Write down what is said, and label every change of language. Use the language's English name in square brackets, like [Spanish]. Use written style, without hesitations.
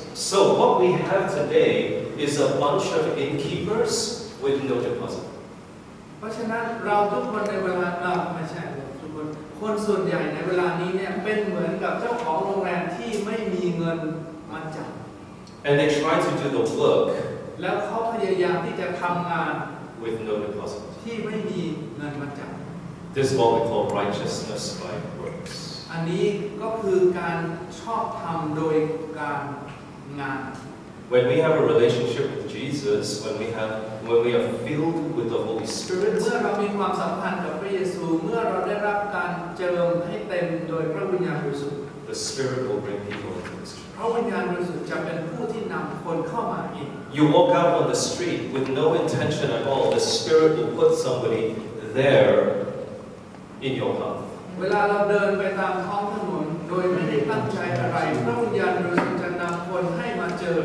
[English] So what we have today is a bunch of innkeepers with no deposit. [Thai] เพราะฉะนั้นเราทุกคนในเวลาไม่ใช่ทุกคนคนส่วนใหญ่ในเวลานี้เนี่ยเป็นเหมือนกับเจ้าของโรงแรมที่ไม่มีเงินมาจ่าย [English] And they try to do the work. [Thai] แล้วเขาพยายามที่จะทำงาน [English] with no deposit. [Thai] ที่ไม่มีเงินมาจ่าย [English] This is what we call righteousness by works. [Thai] อันนี้ก็คือการชอบทำโดยการงาน [English] When we have a relationship with Jesus, when we are filled with the Holy Spirit, [Thai] เมื่อเรามีความสัมพันธ์กับพระเยซูเมื่อเราได้รับการเจริญให้เต็มโดยพระวิญญาณบริสุทธิ์ [English] The Spirit will bring people into His [Thai] church. พระวิญญาณบริสุทธิ์จะเป็นผู้ที่นำคนเข้ามาอีก [English] You walk out on the street with no intention at all. The Spirit will put somebody there in your path. [Thai] เวลาเราเดินไปตามท้องถนนโดยไม่ได้ตั้งใจอะไรพระวิญญาณบริสุทธิ์จะนำคนให้มาเจ